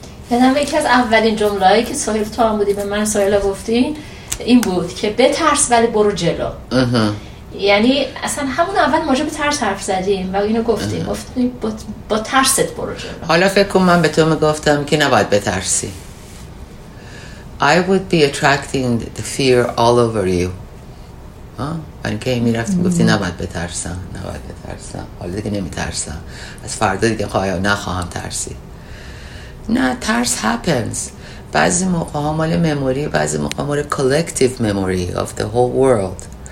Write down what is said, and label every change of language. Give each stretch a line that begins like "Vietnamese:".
Persian: یادم یکی از اولین جمله‌هایی که سهیل تو هم بودی به من سهیل گفتی این بود که بترس ولی برو جلو. یعنی اصلا همون اول ماجه به ترس حرف زدیم و اینو گفتیم، گفتیم با ترست برو جلو. حالا فکر کن من به تو میگفتم که نباید بترسی.
English: I would be attracting the fear all over you.
Persian: من که می رفتیم گفتی نباید بترسم، نباید بترسم، حالا دیگه نمی ترسم، از فردا دیگه خواهی نخواهم ترسی. نه، ترس
English: happens.
Persian: بعضی موقع ها مال مموری، بعضی موقع مال
English: collective memory of the whole world.